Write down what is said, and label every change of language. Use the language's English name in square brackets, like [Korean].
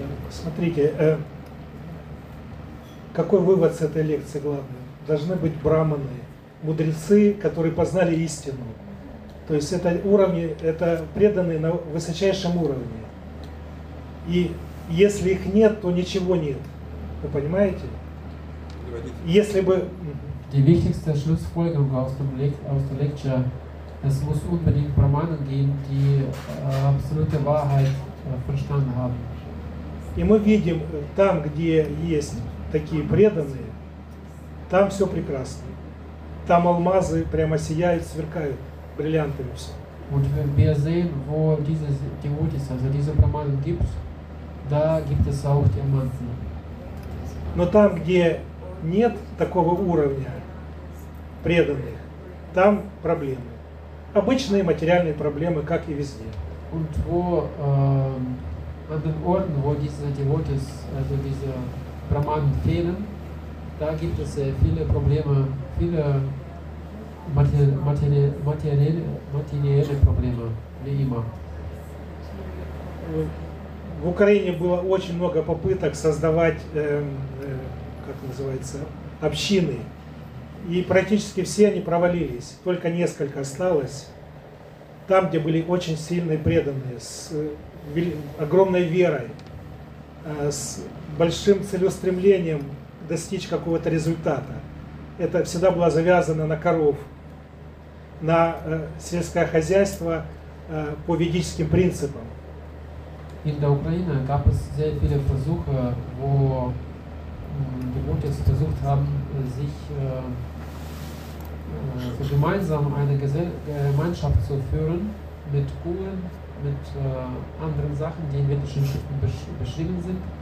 [Russian] Смотрите, какой вывод с этой лекции главный? Должны быть браманы, мудрецы, которые познали истину. То есть это уровни, это преданные на высочайшем уровне. И если их нет, то ничего нет. Вы понимаете? Если бы... [German] Die wichtigste Schlussfolgerung aus der Lecture, es muss unbedingt Brahmanen geben, die absolute Wahrheit verstanden haben. [Russian] И мы видим, там, где есть такие преданные, там все прекрасно. Там алмазы прямо сияют, сверкают бриллиантами все. [German] Und wenn wir sehen, wo diese Devotees, also diese Brahmanen gibt, da gibt es auch Diamanten. [Russian] Но там, где нет такого уровня преданных, там проблемы. Обычные материальные проблемы, как и везде. [German] Und wo, an den Orten, wo diese Devotees, also diese Brahmanen fehlen, da gibt es viele Probleme, viele materielle Probleme, wie immer. [Russian] В Украине было очень много попыток создавать, как называется, общины. И практически все они провалились. Только несколько осталось. Там, где были очень сильные преданные, с огромной верой, с большим целеустремлением достичь какого-то результата. Это всегда было завязано на коров, на сельское хозяйство по ведическим принципам. [German] In der Ukraine gab es sehr viele Versuche, wo die Devotees versucht haben, sich gemeinsam eine Gemeinschaft zu führen mit Kuhen, mit anderen Sachen, die in vedischen Schriften beschrieben sind.